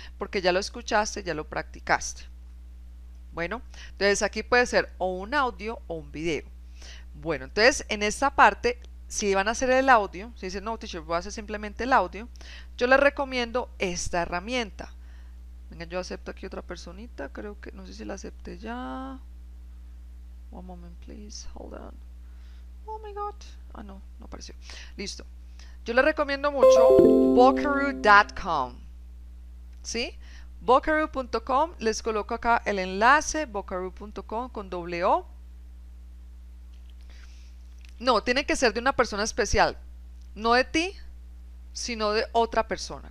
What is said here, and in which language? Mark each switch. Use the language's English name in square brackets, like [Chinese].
[Spanish] Porque ya lo escuchaste, ya lo practicaste. Bueno, entonces aquí puede ser o un audio o un video. Bueno, entonces en esta parte, si van a hacer el audio, si dicen, no, teacher, voy a hacer simplemente el audio, yo les recomiendo esta herramienta. Venga, yo acepto aquí otra personita, creo que, no sé si la acepté ya. [English] One moment, please, hold on. Oh my God. [Spanish] Ah, no, no apareció. Listo. Yo les recomiendo mucho Bokaroo.com. ¿Sí? Bokaroo.com, les coloco acá el enlace, Bokaroo.com con doble O. No, tiene que ser de una persona especial, no de ti, sino de otra persona.